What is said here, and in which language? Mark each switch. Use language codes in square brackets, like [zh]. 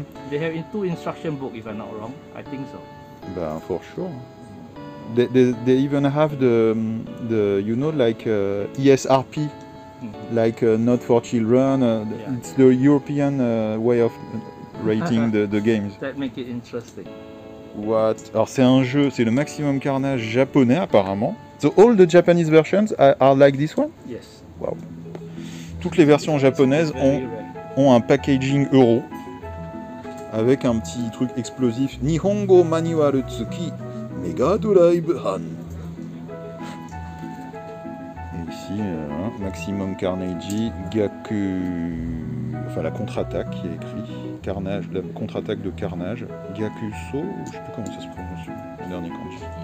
[en] They have two instruction book, if I'm not wrong. I think so. But for sure. They even have the you know, like ESRP. Like not for children, it's the European way of rating the games. That makes it interesting. What? [fr] Alors c'est un jeu, c'est le Maximum Carnage japonais apparemment. [en] So all the Japanese versions are like this one? Yes. Wow. [fr] Toutes les versions japonaises ont un packaging euro. Avec un petit truc explosif. Nihongo Manual Tsuki Mega Drive Han. Ici, Maximum Carnage, Gaku, enfin la contre-attaque qui est écrit, Carnage, la contre-attaque de Carnage, Gaku So, je sais plus comment ça se prononce, le dernier kanji.